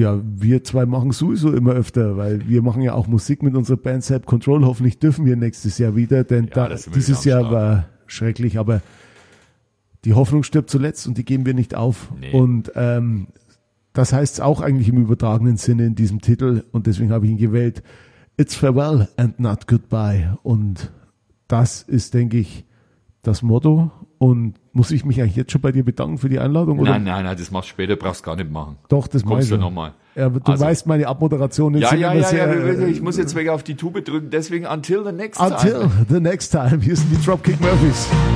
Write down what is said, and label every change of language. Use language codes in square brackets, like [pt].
[de] Ja, wir zwei machen sowieso immer öfter, weil wir machen ja auch Musik mit unserer Band Zap Control. Hoffentlich dürfen wir nächstes Jahr wieder, denn ja, da, dieses Jahr war schrecklich, aber die Hoffnung stirbt zuletzt und die geben wir nicht auf. Nee. Und das heißt es auch eigentlich im übertragenen Sinne in diesem Titel und deswegen habe ich ihn gewählt. [en] It's farewell and not goodbye. [de] Und das ist, denke ich, das Motto. Und muss ich mich eigentlich jetzt schon bei dir bedanken für die Einladung? Oder? Nein, das machst du später, brauchst du gar nicht machen. Doch, das machst du nochmal. Ja, du also, weißt, meine Abmoderation ist ja, sehr... Ja, ich muss jetzt wegen auf die Tube drücken, deswegen [en] until the next until time. Until the next time. [de] Hier sind die Dropkick Murphys.